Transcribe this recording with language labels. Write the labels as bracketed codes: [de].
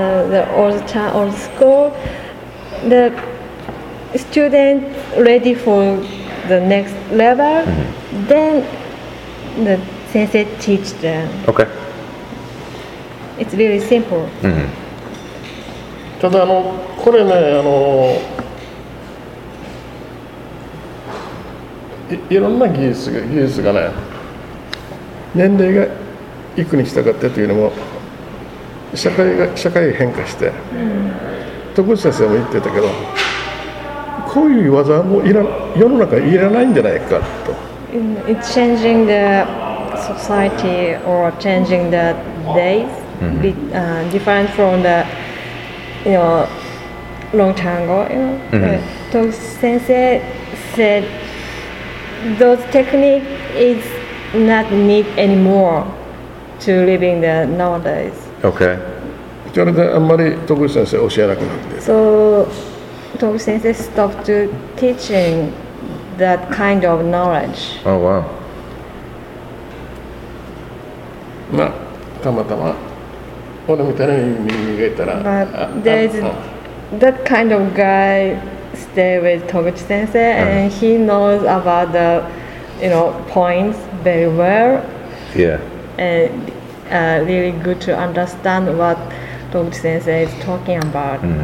[en] The old school, the student ready for the next level, then the sensei teach them. Okay. It's really simple. [ja] ただこれね、いろんな技術がね、年齢がいくに従ってというのも、社会が変化して、徳内先生も言ってたけど、こういう技はもういら世の中いらないんじゃないかと。 [en] It's changing the society or changing the day, different from the, you know, long time ago. You know, Tōku Sensei said those technique is not need anymore to living the nowadays. Okay. [ja] それであんまり Tōku Sensei 教えなくなって。 [en] So Tōku Sensei stopped to teaching that kind of knowledge. Oh wow. [ja] まあ、たまたま俺みたいな人間がいたら、 [en] that kind of guy stay with Toguchi sensei and he knows about the, you know, points very well. Yeah. And really good to understand what Toguchi sensei is talking about.